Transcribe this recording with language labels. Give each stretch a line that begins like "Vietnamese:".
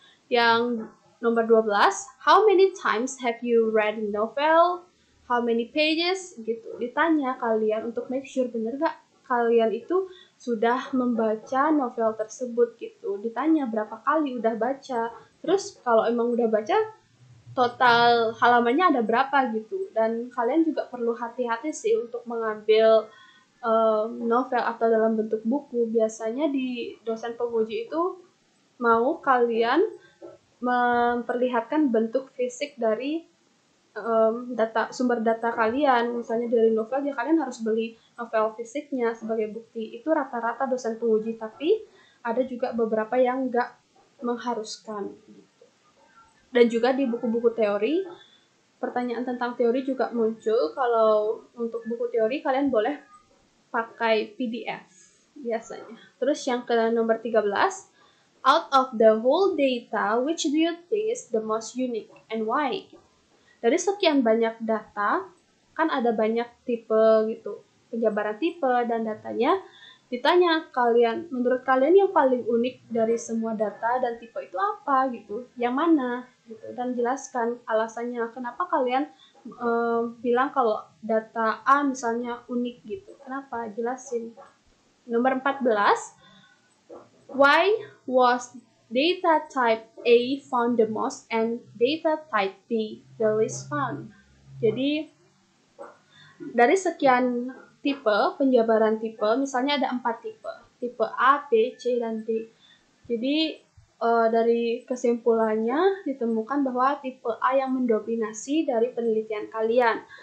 Indonesian: Yang nomor 12,
English: how many times have you read novel? How many pages gitu.
Indonesian: Ditanya kalian untuk make sure benar enggak kalian itu sudah membaca novel tersebut gitu. Ditanya berapa kali udah baca. Terus kalau emang udah baca, total halamannya ada berapa gitu. Dan kalian juga perlu hati-hati sih untuk mengambil novel atau dalam bentuk buku. Biasanya di dosen penguji itu mau kalian memperlihatkan bentuk fisik dari data, sumber data kalian. Misalnya dari novel, ya kalian harus beli novel fisiknya sebagai bukti. Itu rata-rata dosen penguji, tapi ada juga beberapa yang nggak mengharuskan gitu. Dan juga di buku-buku teori, pertanyaan tentang teori juga muncul. Kalau untuk buku teori, kalian boleh pakai PDF biasanya. Terus yang ke nomor 13,
English: out of the whole data, which do you think is the most unique and why?
Indonesian: Dari sekian banyak data, kan ada banyak tipe gitu, penjabaran tipe dan datanya. Ditanya kalian, menurut kalian yang paling unik dari semua data dan tipe itu apa gitu, yang mana gitu, dan jelaskan alasannya kenapa kalian bilang kalau data A misalnya unik gitu, kenapa, jelasin. Nomor 14,
English: why was data type A found the most and data type B the least found?
Indonesian: Jadi dari sekian tipe, penjabaran tipe, misalnya ada 4 tipe. Tipe A, B, C, dan D. Jadi, dari kesimpulannya, ditemukan bahwa tipe A yang mendominasi dari penelitian kalian.